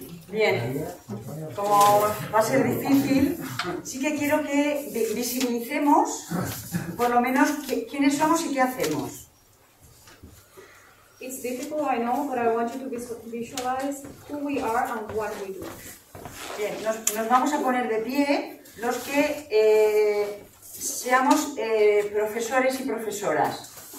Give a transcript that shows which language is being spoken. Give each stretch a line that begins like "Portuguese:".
Spanish: Bien, como va a ser difícil, sí que quiero que visibilicemos, por lo menos, quiénes somos y qué hacemos.
English: It's difficult, I know, but I want you to visualize who we are and what we do.
Spanish: Bien, nos vamos a poner de pie los que seamos profesores y profesoras.